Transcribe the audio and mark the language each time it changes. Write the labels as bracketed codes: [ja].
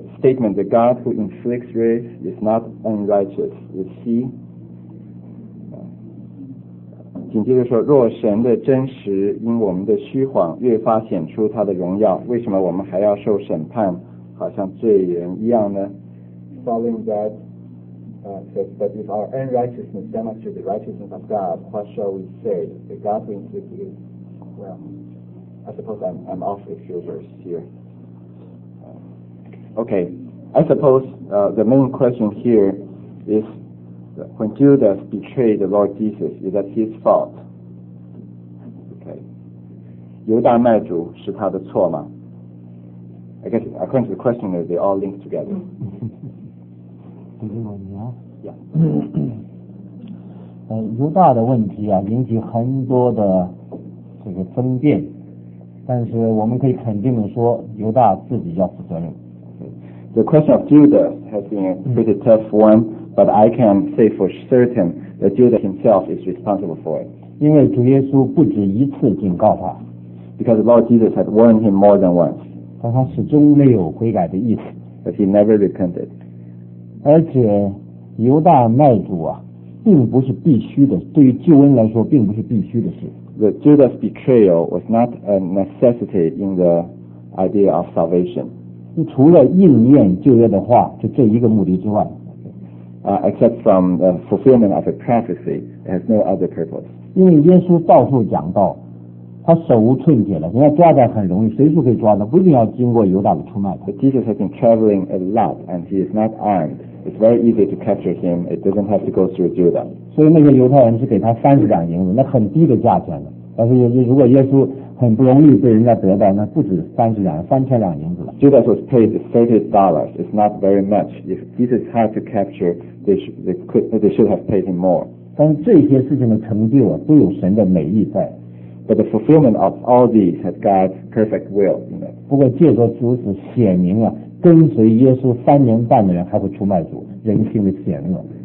[en] This is a statement, the God who inflicts wrath is not unrighteous, is he? [zh] 紧接着说，若神的真实因我们的虚谎越发显出他的荣耀，为什么我们还要受审判，好像罪人一样呢？ [en] Following that,but if our unrighteousness demonstrates the righteousness of God, what shall we say? The God who inflicts it is, well, I suppose I'm off a few verses here. Okay, I suppose the main question here is when Judas betrayed the Lord Jesus, is that his fault? [zh] Okay. 犹大卖主是他的错吗？ [en] I guess according to the questioner, they all link together. [zh] 你听我讲。 [en] Yeah. [zh] 犹大的问题啊，引起很多的这个争辩，但是我们可以肯定的说，犹大自己要负责任。 [en] The question of Judas has been a pretty tough one, but I can say for certain that Judas himself is responsible for it. [zh] 因为主耶稣不止一次警告他。 [en] Because the Lord Jesus had warned him more than once. [zh] 但他始终没有悔改的意思。 [en] But he never repented. [zh] 而且犹大卖主啊，并不是必须的，对于救恩来说并不是必须的事。 [en] The Judas betrayal was not a necessity in the idea of salvation. [zh] 除了应验旧约的话，就这一个目的之外。 [en] Except from the fulfillment of a prophecy, it has no other purpose. [zh] 因为耶稣到处讲道，他手无寸铁了，人家抓他很容易，随处可以抓他，不一定要经过犹大的出卖他。 [en] But Jesus has been traveling a lot, and he is not armed. It's very easy to capture him. It doesn't have to go through Judah. [zh] 所以那些犹太人是给他30两银子，那很低的价钱的。但是如果耶稣很不容易被人家得到，那不止30两，3000两银子了。 [en] Judas was paid $30. It's not very much. If Jesus had to capture, they should have paid him more. [zh] 但是这些事情的成就啊，都有神的美意在。 [en] But the fulfillment of all these had God's perfect will in it. [zh] 不过借着主子显明啊，跟随耶稣3年半的人还会出卖主，人性的险恶。